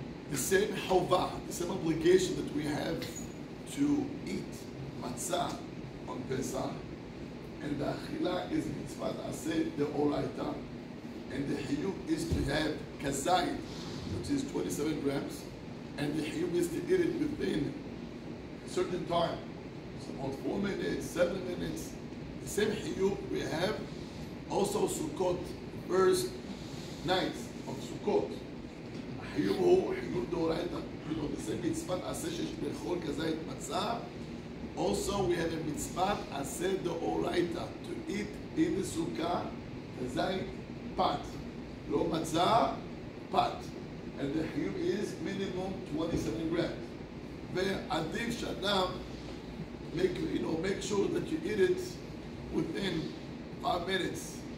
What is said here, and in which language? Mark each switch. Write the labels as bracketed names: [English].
[English] The same חובה, the same obligation that we have to eat מצה on Pesach, and the אכילה is מצוות עשה דאורייתא, and the חיוב is to have כזית, which is 27 grams, and the חיוב is to eat it within a certain time, so about 4 minutes, 7 minutes. The same חיוב we have, also סוכות, first, night of Sukkot. [Hebrew] החיוב הוא חיוב דאורייתא. כלומר, זה מצוות עשה שיש לאכול כזית מצה. [English] Also, we have a מצוות עשה דאורייתא. To eat in the Sukkah, כזית פת. לא מצה, פת. And the חיוב is minimum 27 grams. ועדיף שאדם, make sure that you eat it within 5 minutes.